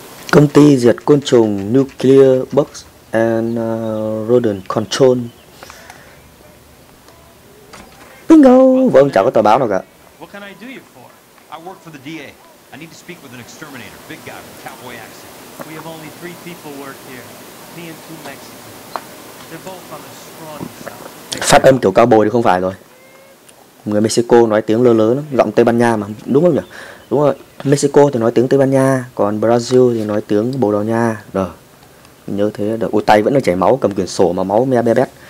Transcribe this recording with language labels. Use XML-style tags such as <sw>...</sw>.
<vi>Công ty diệt côn trùng Nuclear Bugs and Rodent Control. Bingo! Vâng, chẳng có tờ báo nào cả.</vi> <en>What can I do you for? I work for the DA. I need to speak with an exterminator, big guy with cowboy accent. We have only three people work here, me and two Mexicans. They're both on the scrawny side.</en> <vi>Phát âm kiểu cowboy thì không phải rồi. Người Mexico nói tiếng lơ lớ lắm, giọng Tây Ban Nha mà, đúng không nhỉ? Đúng rồi, Mexico thì nói tiếng Tây Ban Nha, còn Brazil thì nói tiếng Bồ Đào Nha. Rồi, nhớ thế. Được. Ôi, tay vẫn đang chảy máu, cầm quyển sổ mà máu me be bét.</vi>